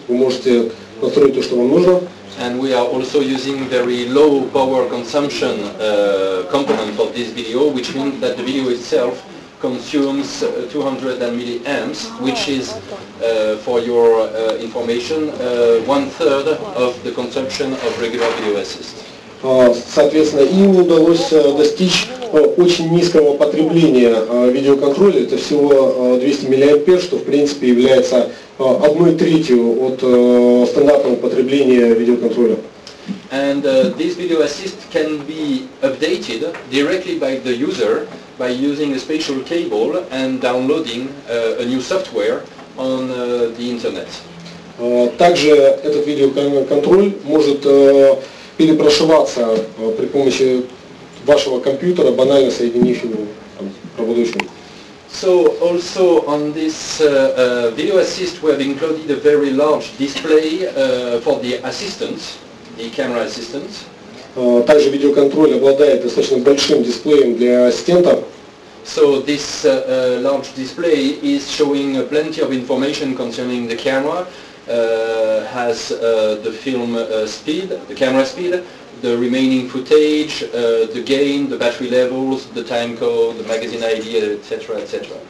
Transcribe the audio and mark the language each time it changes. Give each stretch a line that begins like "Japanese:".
Russian: Вы можете настроить то, что вам нужно.
English: And we are also using very low power consumption component for this video, which means that the video itself consumes 200 milliamps, which is, for your information, one third of the consumption of regular video assist.
Russian: Соответственно, им удалось достичь очень низкого потребления видеоконтроля, это всего 200 мА, что в принципе является одной третью от стандартного потребления видеоконтроля.
English: And this video assist can be updated directly by the user by using a special cable and downloading a new software on the internet.
Russian: Также этот видеоконтроль может перепрошиваться при помощи вашего компьютера, банально соединив его там, с проводочком.
English: So also on this video assist we have included a very large display for the assistant, the camera assistant.
Russian: Также видеоконтроль обладает достаточно большим дисплеем для ассистента.
English: So this large display is showing plenty of information concerning the camera. Has the film speed, the camera speed, the remaining footage, the gain, the battery levels, the time code, the magazine ID, etc., etc.